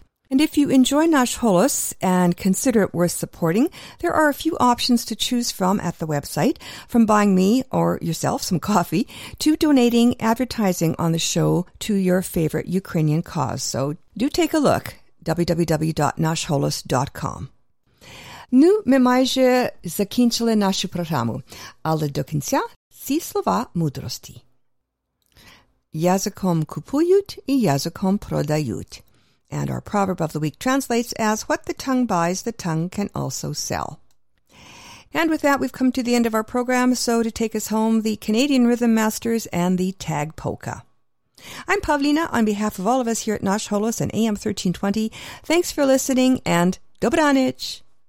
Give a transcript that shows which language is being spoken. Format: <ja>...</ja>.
<en>And if you enjoy Nash Holos and consider it worth supporting, there are a few options to choose from at the website, from buying me or yourself some coffee to donating advertising on the show to your favorite Ukrainian cause. So do take a look. www.nashholos.com.</en> <uk>Ну, ми майже закінчили нашу програму, але до кінця ці слова мудрості. Язиком купують і язиком продають.</uk> <en>And our proverb of the week translates as, what the tongue buys, the tongue can also sell. And with that, we've come to the end of our program. So to take us home, the Canadian Rhythm Masters and the Tag Polka. I'm Pavlina. On behalf of all of us here at Nash Holos and AM 1320, thanks for listening and dobranich.</en>